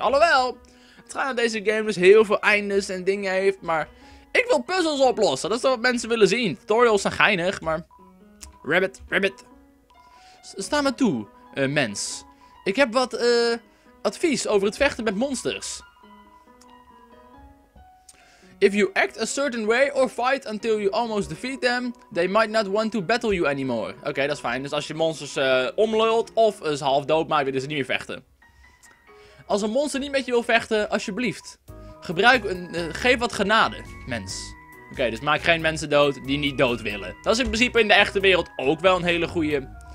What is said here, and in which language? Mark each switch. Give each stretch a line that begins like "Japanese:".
Dutch: Alhoewel, het gaat dat deze game dus heel veel eindes en dingen heeft. Maar ik wil puzzels oplossen. Dat is wat mensen willen zien. Tutorials zijn geinig, maar...
English: Rabbit, rabbit.
Dutch: Sta maar toe, mens. Ik heb wat advies over het vechten met monsters.
English: If you act a certain way or fight until you almost defeat them, they might not want to battle you anymore.
Dutch: Oké, dat is fijn. Dus als je monsters omlult of is half dood, maar willen ze niet meer vechten. Als een monster niet met je wil vechten, alsjeblieft. Geef wat genade, mens. Oké, dus maak geen mensen dood die niet dood willen. Dat is in principe in de echte wereld ook wel een hele goeie.